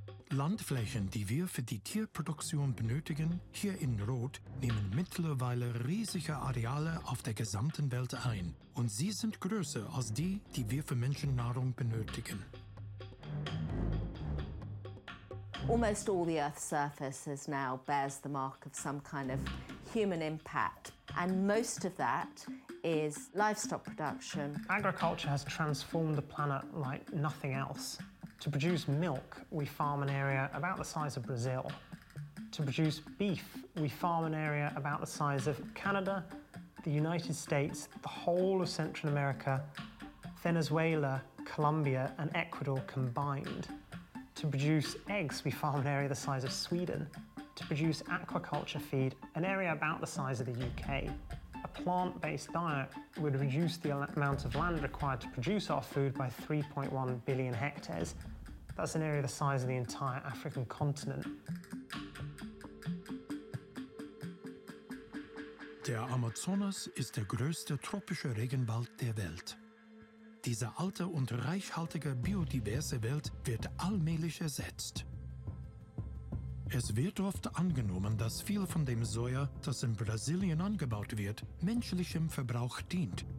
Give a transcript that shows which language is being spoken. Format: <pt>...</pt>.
<de>Landflächen, die wir für die Tierproduktion benötigen, hier in Rot, nehmen mittlerweile riesige Areale auf der gesamten Welt ein. Und sie sind größer als die, die wir für Menschennahrung benötigen.</de> <en>Almost all the Earth's surface is now bears the mark of some kind of human impact. And most of that is livestock production. Agriculture has transformed the planet like nothing else. To produce milk, we farm an area about the size of Brazil. To produce beef, we farm an area about the size of Canada, the United States, the whole of Central America, Venezuela, Colombia, and Ecuador combined. To produce eggs, we farm an area the size of Sweden. To produce aquaculture feed, an area about the size of the UK. A plant-based diet would reduce the amount of land required to produce our food by 3.1 billion hectares. That's an area the size of the entire African continent.</en> <de>Der Amazonas ist der größte tropische Regenwald der Welt. Diese alte und reichhaltige biodiverse Welt wird allmählich ersetzt. Es wird oft angenommen, dass viel von dem Soja, das in Brasilien angebaut wird, menschlichem Verbrauch dient.</de>